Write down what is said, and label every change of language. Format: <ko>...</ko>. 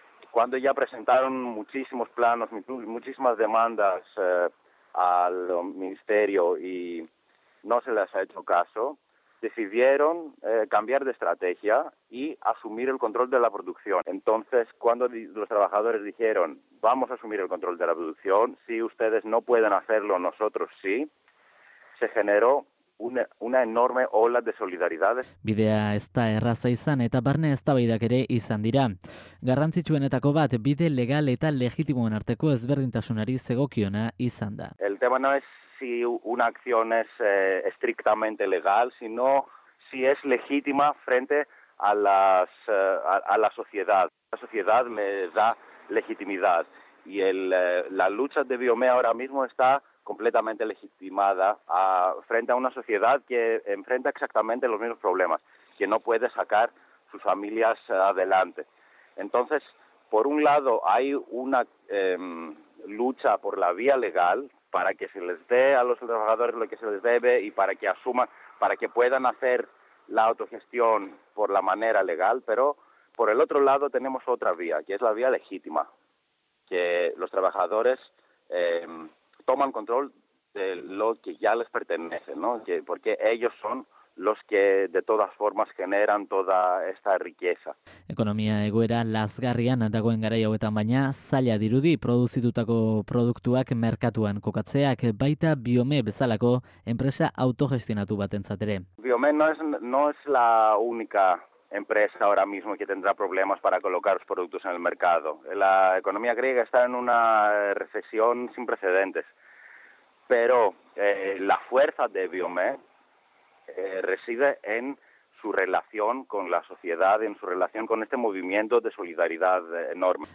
<es>Cuando ya presentaron muchísimos planos, muchísimas demandas al ministerio y no se les ha hecho caso, decidieron cambiar de estrategia y asumir el control de la producción. Entonces, cuando los trabajadores dijeron, vamos a asumir el control de la producción, si ustedes no pueden hacerlo, nosotros sí, se generó una enorme ola de solidaridad.</es> <eu>Bidea ez da erraza izan eta barne eztabaidak ere izan dira. Garrantzitsuenetako bat bide legal eta legitimoen arteko ezberdintasunari zegokiona izan da.</eu> <es>El tema no es si una acción es estrictamente legal, sino si es legítima frente a la sociedad. La sociedad me da legitimidad y la lucha de Biomea ahora mismo está completamente legitimada frente a una sociedad que enfrenta exactamente los mismos problemas, que no puede sacar sus familias adelante. Entonces, por un lado, hay una lucha por la vía legal para que se les dé a los trabajadores lo que se les debe y para que puedan hacer la autogestión por la manera legal, pero por el otro lado tenemos otra vía, que es la vía legítima, que los trabajadores toman control de lo que ya les pertenece, ¿no? Porque ellos son los que de todas formas generan toda esta riqueza.</es> <eu>Ekonomia egoera lazgarrian dagoen garai hauetan, baina zaila dirudi produzitutako produktuak merkatuan kokatzeak, baita Biome bezalako enpresa autogestionatu batentzat ere.</eu> <es>Biome no es la única empresa ahora mismo que tendrá problemas para colocar los productos en el mercado. La economía griega está en una recesión sin precedentes, pero la fuerza de Biome reside en su relación con la sociedad, en su relación con este movimiento de solidaridad enorme.</es>